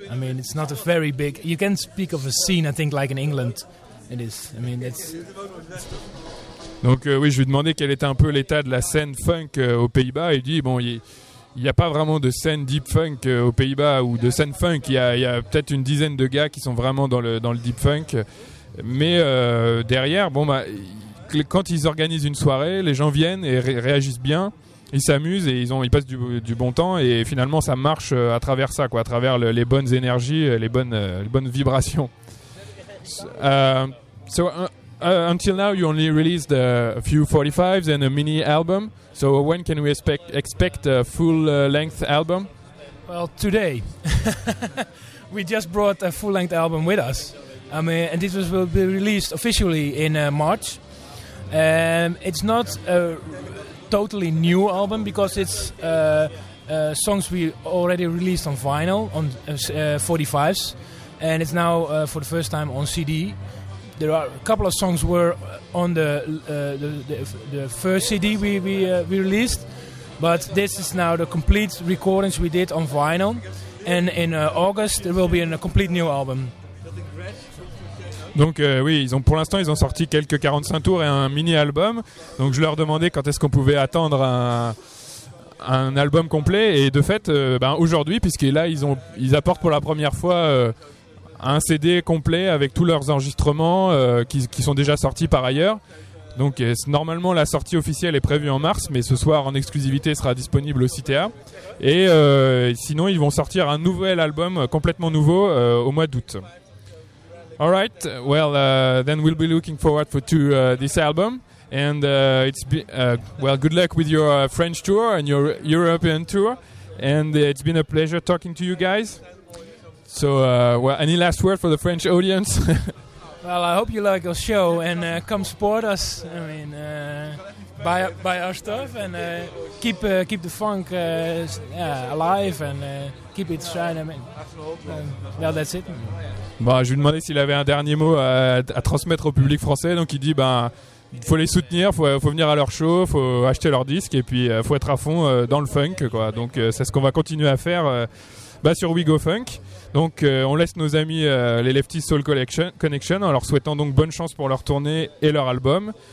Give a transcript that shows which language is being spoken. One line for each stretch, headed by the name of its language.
English: I mean, it's not a very big, you can speak of a scene, I think, like in England, it is. I mean, it's...
French: Donc oui, je lui ai demandé quel était un peu l'état de la scène funk aux Pays-Bas. Il dit, bon, il n'y a pas vraiment de scène deep funk aux Pays-Bas ou de scène funk. Il y a peut-être une dizaine de gars qui sont vraiment dans le deep funk. Mais derrière, bon, bah, quand ils organisent une soirée, les gens viennent et réagissent bien. Ils s'amusent et ils passent du bon temps. Et finalement, ça marche à travers ça, quoi, à travers les bonnes énergies, les bonnes vibrations.
English: Until now, you only released a few 45s and a mini album. So when can we expect a full-length album? Well, today. We just brought a full-length album with us. I mean, and this will be released officially in March. It's not a totally new album because it's songs we already released on vinyl, on 45s. And it's now, for the first time, on CD. There are a couple of songs were on the first CD we released, but this is now the complete recordings we did on vinyl, and in August there will be a complete new album.
French: Donc oui, pour l'instant ils ont sorti quelques 45 tours et un mini album. Donc je leur demandais quand est-ce qu'on pouvait attendre un album complet, et de fait aujourd'hui, puisque là ils apportent pour la première fois un CD complet avec tous leurs enregistrements qui sont déjà sortis par ailleurs. Donc normalement la sortie officielle est prévue en mars, mais ce soir en exclusivité sera disponible au CTA. Et sinon ils vont sortir un nouvel album complètement nouveau au mois d'août.
English: All right, well then we'll be looking forward to this album, and it's good luck with your French tour and your European tour, and it's been a pleasure talking to you guys. So, any last word for the French audience? Well, I hope you like our show, and come support us. I mean, buy our stuff, and keep the funk alive, and keep it shining. I mean, well, that's it.
French: Bon, je lui demandais s'il avait un dernier mot à transmettre au public français. Donc, il dit, faut les soutenir, faut venir à leur show, faut acheter leurs disques, et puis faut être à fond dans le funk, quoi. Donc, c'est ce qu'on va continuer à faire sur We Go Funk. Donc on laisse nos amis les Lefty Soul Connection en leur souhaitant donc bonne chance pour leur tournée et leur album.